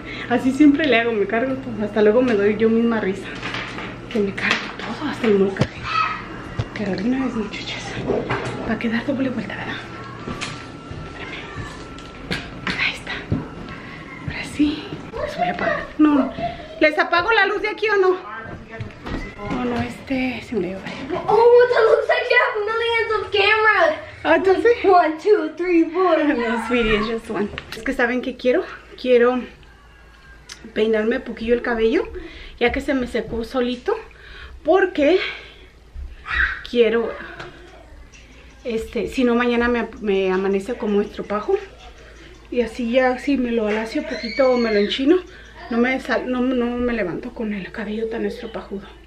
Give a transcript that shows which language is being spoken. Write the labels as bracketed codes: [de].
[es] Así siempre le hago, me cargo todo. Hasta luego me doy yo misma risa. Que me cargo todo, hasta el molcaje. Pero de una vez, muchachas. Va a quedar doble vuelta, ¿verdad? Espérame. Ahí está. Ahora sí. Les voy a apagar. No, no. ¿Les apago la luz de aquí o no? No, no, este se me lleva. [en] Oh, it looks like you have millions of cameras. [es] Entonces, [en] like one, two, three, four. No, sweetie, it's just one. [es] Es que saben que quiero. Quiero peinarme un poquillo el cabello, ya que se me secó solito, porque quiero, si no mañana me amanece como estropajo, y así ya si me lo alacio un poquito o me lo enchino, no me levanto con el cabello tan estropajudo.